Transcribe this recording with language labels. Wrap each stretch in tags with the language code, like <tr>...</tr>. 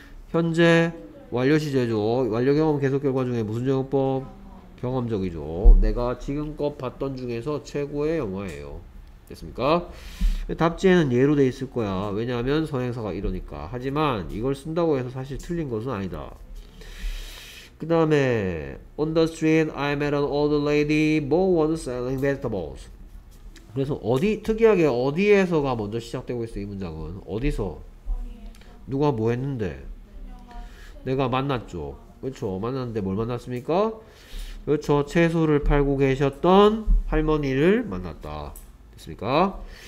<ko>현재 완료 시제죠. 완료 경험 계속 결과 중에 무슨 영역법? 경험적이죠. 내가 지금껏 봤던 중에서 최고의 영화예요. 됐습니까? 답지에는 예로 돼 있을 거야. 왜냐하면 선행사가 이러니까. 하지만 이걸 쓴다고 해서 사실 틀린 것은 아니다. 그 다음에</ko> <en>On the street I met an old lady who was selling vegetables.</en> <ko>그래서 어디 특이하게 어디에서가 먼저 시작되고 있어요. 이 문장은 어디서 누가 뭐 했는데 내가 만났죠. 그렇죠. 만났는데 뭘 만났습니까? 그렇죠. 채소를 팔고 계셨던 할머니를 만났다. 됐습니까?</ko>